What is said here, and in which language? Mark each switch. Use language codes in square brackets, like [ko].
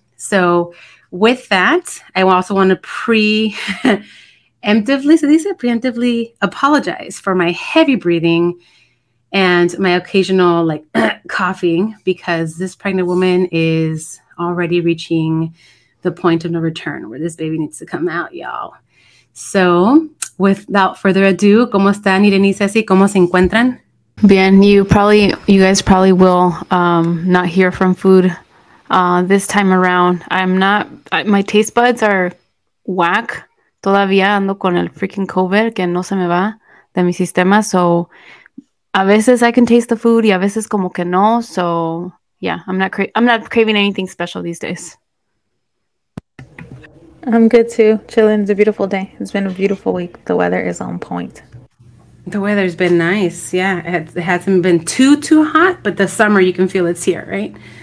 [en] So with that, I also want to preemptively apologize for my heavy breathing and my occasional like coughing, because this pregnant woman is already reaching the point of no return where this baby needs to come out, y'all. So without further ado, [es] ¿cómo están Irene y Ceci? ¿Cómo se encuentran? [en] Bien, you guys probably will not hear from food this time around. My taste buds are whack. [es] Todavía ando con el freaking COVID que no se me va de mi sistema. So a veces [en] I can taste the food [es] y a veces como que no. [en] So yeah, I'm not craving anything special these days. I'm good too. Chilling. It's a beautiful day. It's been a beautiful week. The weather is on point. The weather's been nice. Yeah, it hasn't been too hot, but the summer, you can feel it's here, right?